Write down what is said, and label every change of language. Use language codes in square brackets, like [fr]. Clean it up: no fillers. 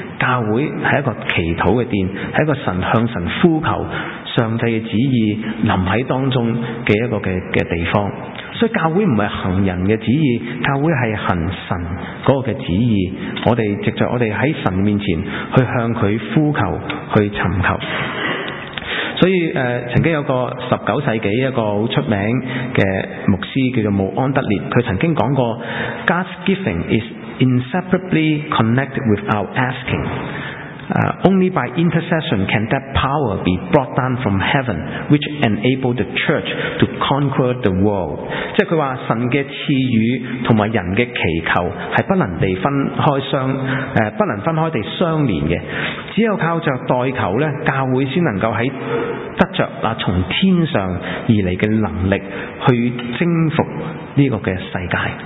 [zh] 教会是一个祈祷的殿，是一个神向神呼求上帝的旨意临在当中的一个的地方。所以教会不是行人的旨意，教会是行神的旨意，我们藉着我们在神面前去向祂呼求去寻求。所以曾经有个十九世纪一个很出名的牧师叫做穆安德烈，他曾经讲过 [en] God's giving is inseparably connected with our askingOnly by intercession can that power be brought down from heaven, which enabled the church to conquer the world. [zh] 即是他说神的赐予和人的祈求是不能地分开相，不能分开地相连的。只有靠着代求，教会才能够在得着从天上而来的能力去征服这个世界。